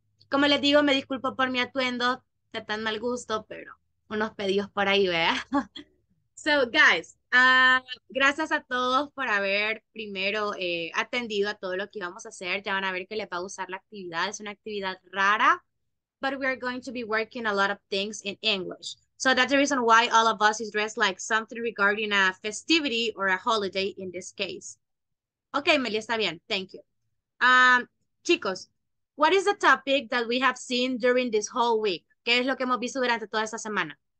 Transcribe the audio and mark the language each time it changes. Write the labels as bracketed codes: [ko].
[es] Como les digo, me disculpo por mi atuendo. De tan mal gusto, pero unos pedidos por ahí, vea. [en] So, guys, [es] gracias a todos por haber primero atendido a todo lo que íbamos a hacer. Ya van a ver que les va a gustar la actividad. Es una actividad rara, [en] but we are going to be working a lot of things in English. So, that's the reason why all of us is dressed like something regarding a festivity or a holiday in this case. Ok, Meli, [es] está bien. [en] Thank you. Chicos, what is the topic that we have seen during this whole week? [es] ¿Qué es lo que hemos visto durante toda esta semana?